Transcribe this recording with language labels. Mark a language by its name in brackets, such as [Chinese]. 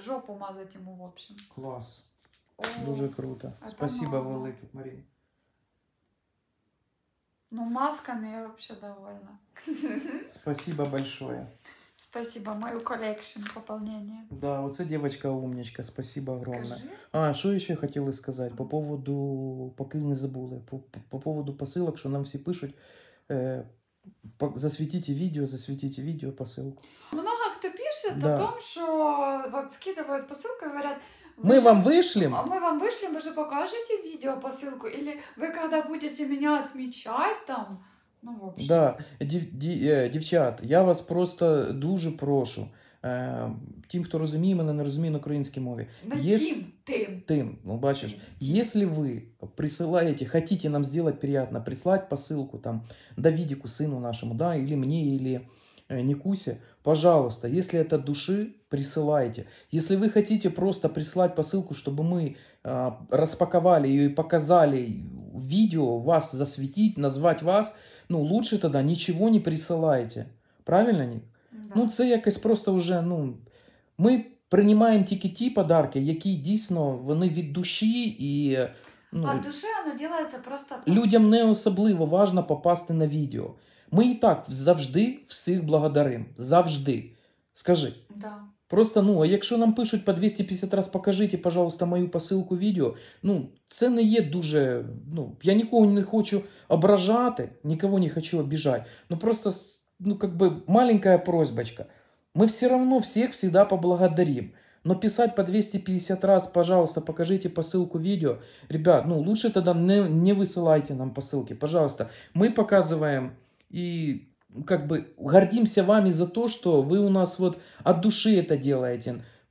[Russian] Жопу мазать ему, в общем. [Ukrainian] Класс. Дуже круто. [Russian] Это спасибо велике, Марія. Ну, масками я вообще довольна. Спасибо большое. Спасибо, мою коллекшн пополнение. Да, оце девочка умничка. Спасибо огромное. Скажи. [Ukrainian] А, що ще хотіли сказати по поводу, поки не забули, по поводу посилок, що нам всі пишуть, засвітіть відео посилку. [Russian] Много [Ukrainian] хто пише, [Russian] да, о том, що вот скидывают посилку, говорят: мы же вам вышлем. А мы вам вышлем, вы же покажете видео посылку. Или вы когда будете меня отмечать там. Ну, в общем. Да, девчат, я вас просто дуже прошу. [Ukrainian] Тим, [Russian] кто [Ukrainian] розуміє мене, не розуміє на українській мові. Тим. Ну, бачиш. Тим. [Russian] Если вы присылаете, хотите нам сделать приятно, прислать посылку там Давидику, сыну нашему, да, или мне, или Никусе, пожалуйста, если это души, присылайте. Если вы хотите просто прислать посылку, чтобы мы распаковали ее и показали видео, вас засветить, назвать вас, ну, лучше тогда ничего не присылайте. Правильно, Ник? Да. [Ukrainian] Ну, це якось просто уже, ну, [Russian] мы принимаем [Ukrainian] тільки ті подарки, які дійсно, вони від душі і... Ну, [Russian] а душе оно делается просто так. [Ukrainian] Людям не особливо важно попасти на відео. Ми і так завжди всіх благодарим. Завжди. Скажи. [Russian] Да. [Ukrainian] Просто, ну, а якщо нам пишуть по 250 раз, покажіть, пожалуйста, мою посилку відео, ну, це не є дуже, ну, я нікого не хочу ображати, нікого не хочу обіжати. [Russian] Ну, просто, ну, как бы, маленькая просьбочка. Ми все равно всіх всегда поблагодарим. Но писать по 250 раз, пожалуйста, покажите посылку видео. Ребят, ну, лучше тогда не высылайте нам посылки, пожалуйста. Мы показываем... И как бы гордимся вами за то, что вы у нас вот от души это делаете.